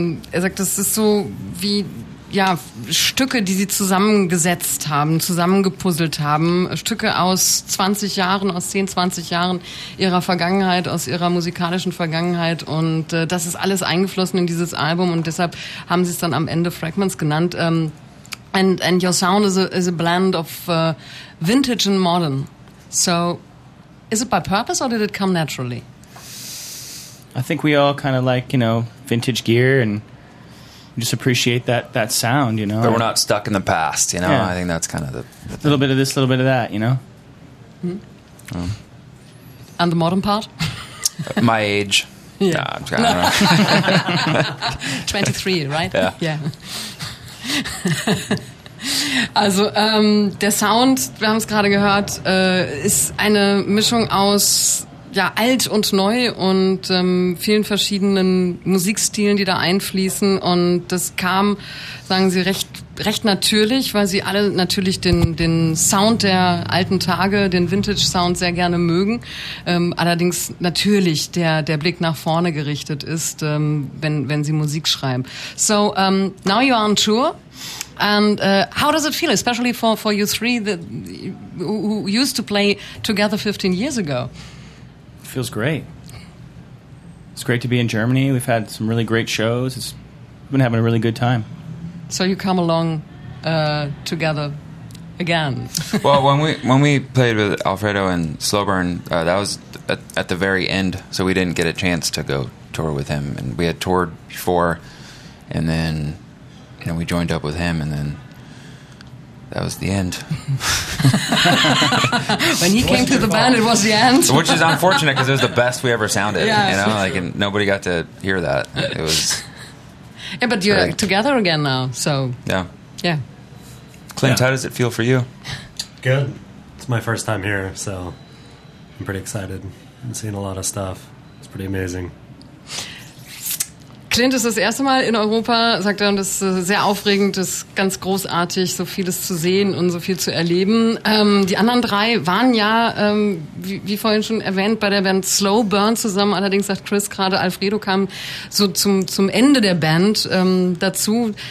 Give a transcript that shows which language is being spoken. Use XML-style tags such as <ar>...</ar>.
<de>Er sagt, das ist so wie... ja, Stücke, die sie zusammengesetzt haben, zusammengepuzzelt haben, Stücke aus 20 Jahren, aus 10, 20 Jahren ihrer Vergangenheit, aus ihrer musikalischen Vergangenheit, und das ist alles eingeflossen in dieses Album, und deshalb haben sie es dann am Ende Fragments genannt.</de> <en>And your sound is a blend of vintage and modern. So, is it by purpose or did it come naturally? I think we all kind of like, you know, vintage gear and just appreciate that sound, you know. But we're not stuck in the past, you know. Yeah. I think that's kind of the little bit of this, little bit of that, you know. Mm-hmm. Oh. And the modern part? My age. Yeah. No, I don't know. 23, right? Yeah.</en> <de>Also der Sound, wir haben es gerade gehört, ist eine Mischung aus, ja, alt und neu und vielen verschiedenen Musikstilen, die da einfließen, und das kam, sagen sie, recht natürlich, weil sie alle natürlich den Sound der alten Tage, den Vintage-Sound, sehr gerne mögen. Allerdings natürlich der Blick nach vorne gerichtet ist, wenn sie Musik schreiben.</de> <en>So, now you are on tour. And how does it feel, especially for you three that who used to play together 15 years ago? Feels great. It's great to be in Germany. We've had some really great shows. It's been having a really good time. So you come along together again. Well, when we played with Alfredo and Slowburn, that was at the very end, so we didn't get a chance to go tour with him. And we had toured before, and then, you know, we joined up with him, and then that was the end. When he came to the band, it was the end. Which is unfortunate, because it was the best we ever sounded. Yeah, you know, like, and nobody got to hear that. It was. Yeah, but you're together again now, so. Yeah. Yeah. Clint, yeah. How does it feel for you? Good. It's my first time here, so I'm pretty excited. I'm seeing a lot of stuff. It's pretty amazing.</en> <de>Clint ist das erste Mal in Europa, sagt er, und das ist sehr aufregend, das ist ganz großartig, so vieles zu sehen und so viel zu erleben. Die anderen drei waren ja, wie vorhin schon erwähnt, bei der Band Slow Burn zusammen. Allerdings sagt Chris gerade, Alfredo kam so zum Ende der Band dazu.</de>